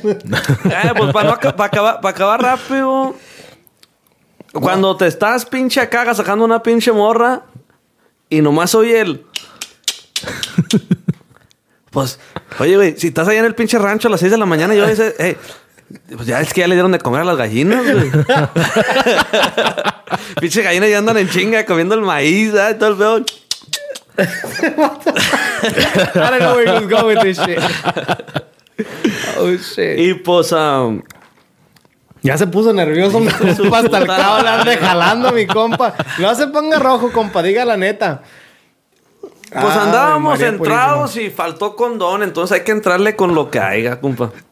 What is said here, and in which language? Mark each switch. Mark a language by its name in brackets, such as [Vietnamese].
[Spanish] Pues para, no, para acabar rápido, cuando te estás pinche caga sacando una pinche morra y nomás oye el... Pues, oye, güey, si estás allá en el pinche rancho a las 6 de la mañana, yo dice, hey, pues ya es que ya le dieron de comer a las gallinas, güey. Pinche gallinas ya andan en chinga comiendo el maíz, ¿eh? Todo el pedo. [English] I don't know where he's going with this shit. Oh, shit. [Spanish] Y pues, ya se puso nervioso, mi compa, hasta el cabo le ande jalando, mi compa. No se ponga rojo, compa, diga la neta. Pues andábamos entrados y faltó condón, entonces hay que entrarle con lo que haya, compa.